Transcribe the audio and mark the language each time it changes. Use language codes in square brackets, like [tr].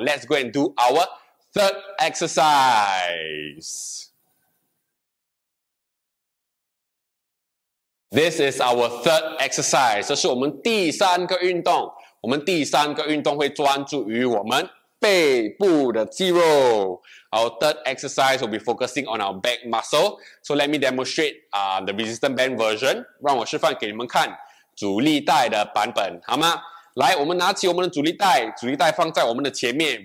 [en] Let's go and do our third exercise. This is our third exercise. [zh] 这是我们第三个运动。我们第三个运动会专注于我们背部的肌肉。 [en] Our third exercise will be focusing on our back muscle. So let me demonstrate, the resistance band version. [zh] 让我示范给你们看阻力带的版本，好吗？来，我们拿起我们的阻力带，阻力带放在我们的前面。